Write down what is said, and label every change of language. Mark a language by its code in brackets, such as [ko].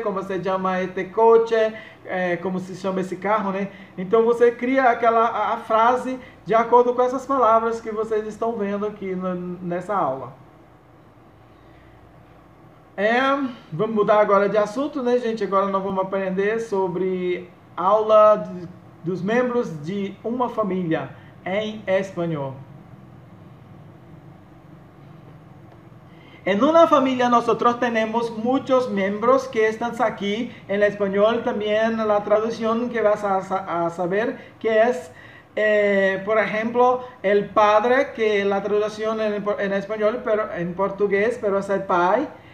[es] Como se llama este coche? [pt] Como se chama esse carro, né? Então você cria aquela a frase de acordo com essas palavras que vocês estão vendo aqui nessa aula. Vamos mudar agora de assunto, né, gente? Agora nós vamos aprender sobre aula dos membros de uma família em espanhol. [es] En una familia nosotros tenemos muchos miembros que están aquí en español, también la traducción que vas a saber, que es, por ejemplo, el padre, que la traducción en español, pero en portugués, pero es el pai.